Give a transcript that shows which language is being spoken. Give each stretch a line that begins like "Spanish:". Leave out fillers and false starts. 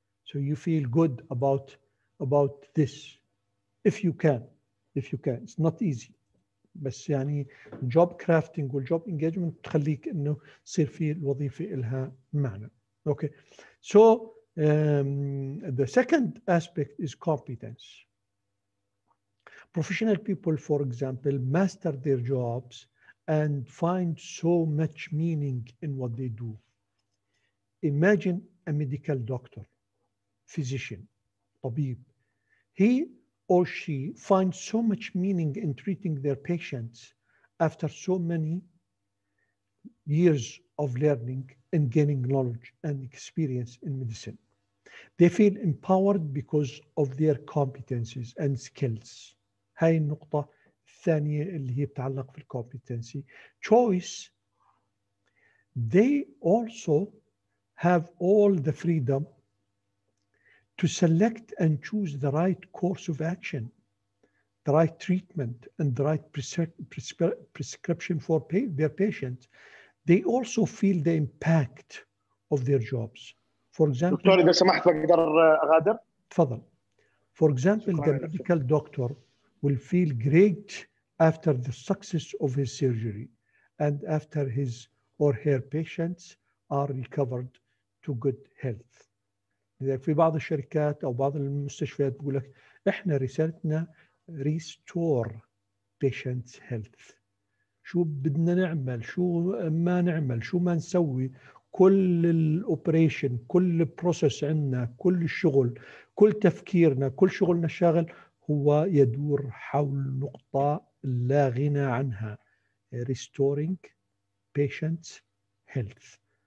English: So you feel good about this. If you can, it's not easy.
Arabic: بس يعني
English: job crafting or job engagement
Arabic: تخليك إنه صير في الوظيفة إلها معنى.
English: Okay. So the second aspect is competence. Professional people, for example, master their jobs and find so much meaning in what they do. Imagine a medical doctor, physician, طبيب. He or she finds so much meaning in treating their patients after so many years of learning and gaining knowledge and experience in medicine. They feel empowered because of their competencies and skills.
Arabic: هاي النقطة الثانية اللي هي بتعلق في الكومبيتنسي.
English: Choice. They also have all the freedom to select and choose the right course of action, the right treatment, and the right prescription for their patient. They also feel the impact of their jobs. For example,
Arabic: دكتور إذا سمحت بقدر أغادر؟ تفضل.
English: For example, the medical doctor will feel great after the success of his surgery and after his or her patients are recovered to good health.
Arabic: في بعض الشركات أو بعض المستشفيات بيقول لك إحنا رسالتنا
English: restore patients' health.
Arabic: شو بدنا نعمل؟ شو ما نعمل؟ شو ما نسوي؟ كل الأوبريشن، كل البروسيس عندنا، كل الشغل، كل تفكيرنا، كل شغلنا الشاغل هو يدور حول نقطة لا غنى عنها،
English: restoring patients health،